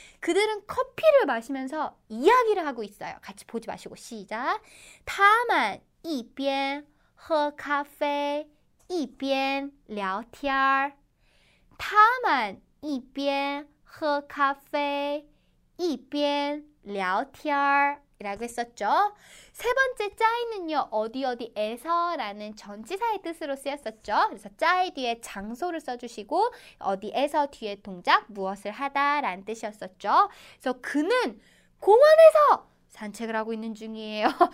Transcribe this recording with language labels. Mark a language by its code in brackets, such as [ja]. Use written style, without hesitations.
[ko] 그들은 커피를 마시면서 이야기를 하고 있어요. 같이 보지 마시고 시작. [zh] 他们一边喝咖啡一边聊天.他们一边喝咖啡一边聊天. [ko] 이라고 했었죠. 세 번째 짜이는요, 어디 어디에서라는 전치사의 뜻으로 쓰였었죠. 그래서 짜이 뒤에 장소를 써주시고 어디에서 뒤에 동작 무엇을 하다라는 뜻이었었죠. 그래서 그는 공원에서 산책을 하고 있는 중이에요.